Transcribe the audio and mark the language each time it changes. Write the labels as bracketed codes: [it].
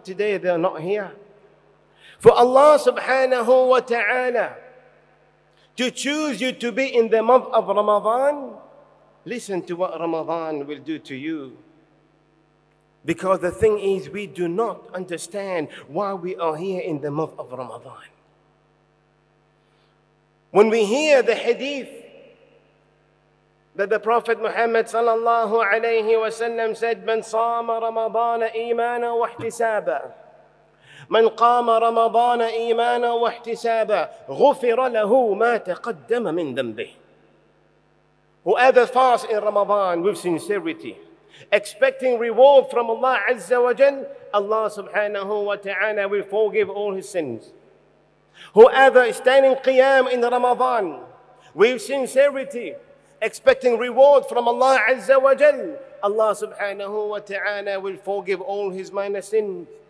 [en] Today they are not here. For Allah subhanahu wa ta'ala to choose you to be in the month of Ramadan, listen to what Ramadan will do to you. Because the thing is, we do not understand why we are here in the month of Ramadan. When we hear the hadith that the Prophet Muhammad sallallahu alayhi wa sallam said, [ar] من صام رمضان إيمانا واحتسابا من قام رمضان إيمانا واحتسابا غفر له ما تقدم من ذنبه. [en] Whoever fasts in Ramadan with sincerity, expecting reward from Allah Azza wa Jal, Allah subhanahu wa ta'ala will forgive all his sins. Whoever is standing qiyam in Ramadan with sincerity, expecting reward from Allah Azza wa Jal, Allah subhanahu wa ta'ala will forgive all his minor sins.